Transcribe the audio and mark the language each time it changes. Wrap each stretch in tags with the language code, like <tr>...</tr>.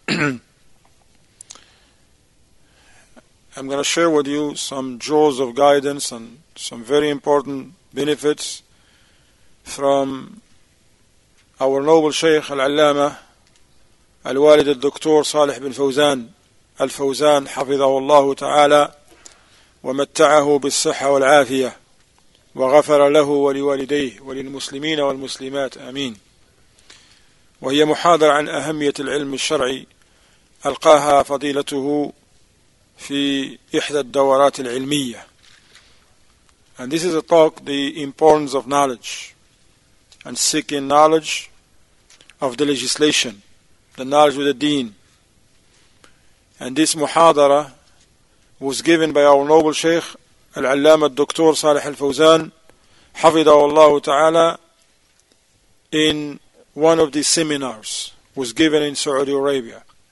<en>I'm going to share with you some jewels of guidance and some very important benefits from our noble Shaykh Al-Allama, Al-Walid Al-Doktor Salih bin Fawzan, Al-Fawzan, Hafidhahu Allah ta'ala,</en> <ar>ومتعه بالصحة والعافية وغفر له ولوالديه وللمسلمين والمسلمات آمين. وهي محاضرة عن أهمية العلم الشرعي ألقاها فضيلته في إحدى الدورات العلمية.</ar> <en>And this is a talk, the importance of knowledge and seeking knowledge of the legislation, the knowledge of the deen. And this محاضرة was given by our noble Shaykh Al-Allama Al-Doktor Salih Al-Fawzan Hafidhahu Allah Ta'ala in one of the seminars was given in Saudi Arabia.</en>